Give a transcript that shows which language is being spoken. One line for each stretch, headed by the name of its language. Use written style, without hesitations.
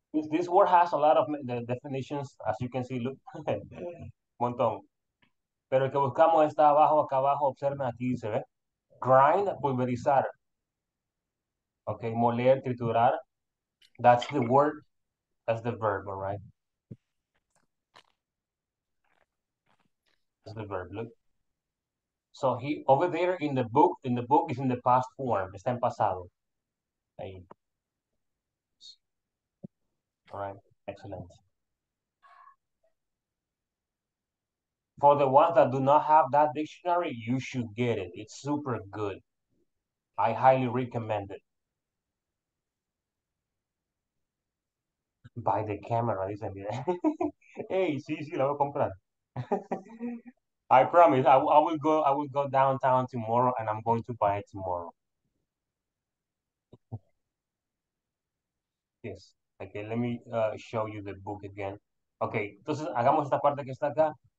English: This word has a lot of definitions, as you can see, look.
Spanish: Un montón. Pero el que buscamos está abajo, acá abajo, observen, aquí se ve. Grind, pulverizar. Okay, moler, triturar.
English: That's the word, that's the verb, all right? That's the verb, look. So he, over there in the book is in the past form,
Spanish: está en pasado. Ahí.
English: All right, excellent. For the ones that do not have that dictionary, you should get it, it's super good. I highly recommend it. By the camera,
Spanish: dicen. Hey, sí, la voy a comprar.
English: I promise, I will go downtown tomorrow and I'm going to buy it tomorrow. Yes, okay, let me show you the book again.
Spanish: Okay, entonces hagamos esta parte que está acá.